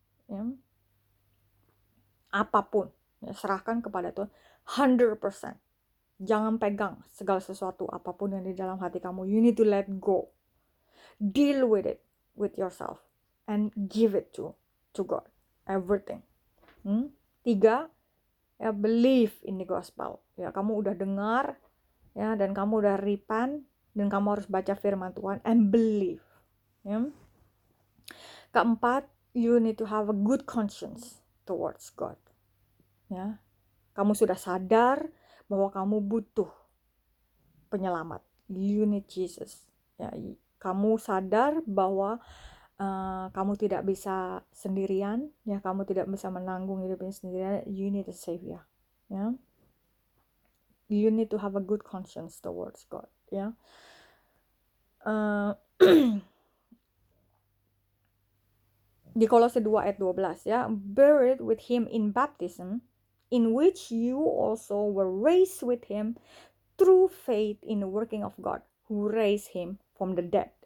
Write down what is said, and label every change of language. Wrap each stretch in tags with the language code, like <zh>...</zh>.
<id>Yeah. Apapun, ya, serahkan kepada Tuhan 100%. Jangan pegang segala sesuatu apapun yang di dalam hati kamu.</id> <en>You need to let go. Deal with it with yourself and give it to God. Everything.</en> <id>Tiga, ya,</id> <en>believe in the gospel.</en> <id>Ya, kamu udah dengar, ya, dan kamu udah repent. Dan kamu harus baca firman Tuhan</id> <en>and believe.</en> <id>Ya. Keempat,</id> <en>you need to have a good conscience towards God. Ya.</en> <id>Kamu sudah sadar bahwa kamu butuh penyelamat.</id> <en>You need Jesus.</en> <id>Ya. Kamu sadar bahwa kamu tidak bisa sendirian. Ya. Kamu tidak bisa menanggung hidupnya sendirian.</id> <en>You need a savior. Ya. You need to have a good conscience towards God. Ya.</en> <id>di Kolose 2 ayat 12 ya,</id> <en>buried with him in baptism in which you also were raised with him through faith in the working of God who raised him from the dead.</en>